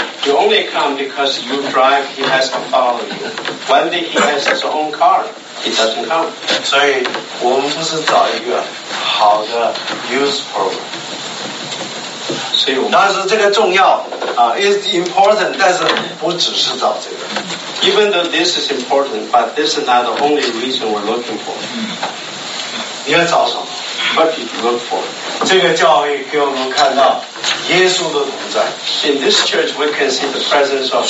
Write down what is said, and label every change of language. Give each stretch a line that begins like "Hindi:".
English: You only come because you drive, he has to follow you. One day he has his own car, he doesn't come.
Chinese: 所以我们不是找一个好的 youth program. 所以我们，但是这个重要。
English: It's important,
Chinese: 但是不只是找这个。
English: Even though this is important, but this is not the only reason we're looking for.
Chinese: 你要找什么？
English: What did you look for?
Chinese: 这个教会给我们看到耶稣的同在。
English: In this church, we can see the presence of